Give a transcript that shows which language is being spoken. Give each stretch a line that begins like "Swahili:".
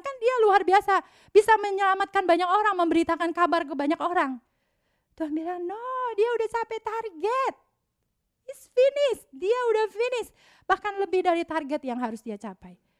Indonesian: Kan dia luar biasa, bisa menyelamatkan banyak orang, memberitakan kabar ke banyak orang. Tuhan bilang, no, dia udah capek target.
English: It's finished,
Indonesian: dia udah
English: finish.
Indonesian: Bahkan lebih dari target yang harus dia capai.